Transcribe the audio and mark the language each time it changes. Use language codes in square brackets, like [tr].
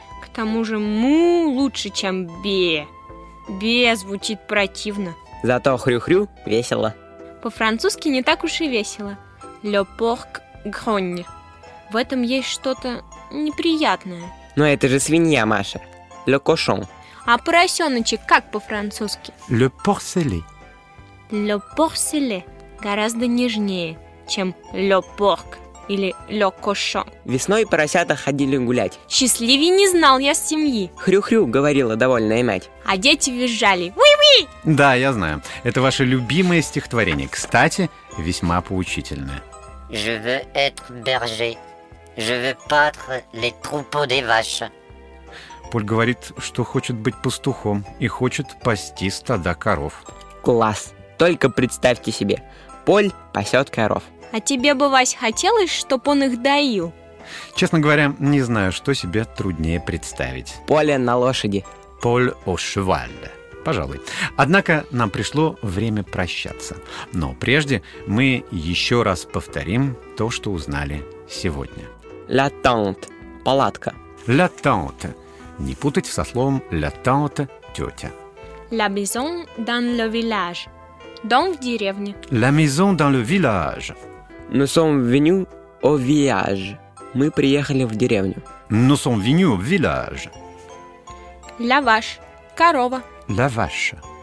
[ru] К тому же му лучше, чем бе. Бе звучит противно. Зато хрю-хрю весело. по-французски не так уж и весело. [fr] Le porc grogne. [ru] В этом есть что-то неприятное. Но это же свинья, Маша. Le cochon. А поросеночек как по-французски? [fr] Le porcelet. Le porcelet [ru] гораздо нежнее, чем [fr] le porc или le cochon. [ru] Весной поросята ходили гулять. Счастливей не знал я семьи. Хрю-хрю, говорила довольная мать. А дети визжали. Уи-уи! Да, я знаю. Это ваше любимое стихотворение. Кстати, весьма поучительное. [fr] Je veux être berger. Je veux pâtre les troupeaux des vaches. [ru] Поль говорит, что хочет быть пастухом и хочет пасти стада коров. Класс! Только представьте себе, Поль пасет коров. А тебе бы, Вась, хотелось, чтоб он их доил? Честно говоря, не знаю, что себе труднее представить. Поле на лошади. [fr] Поль о шваль. [ru] Пожалуй. Однако нам пришло время прощаться. Но прежде мы еще раз повторим то, что узнали сегодня. [fr] La tente. Палатка. La tente. [ru] Не путать со словом la tante – тетя. [fr] La maison dans le village. [ru] Дом в деревне. [fr] La maison dans le village. Nous sommes venus au village. [ru] Мы приехали в деревню. [fr] Nous sommes venus au village. La vache. Корова. La vache.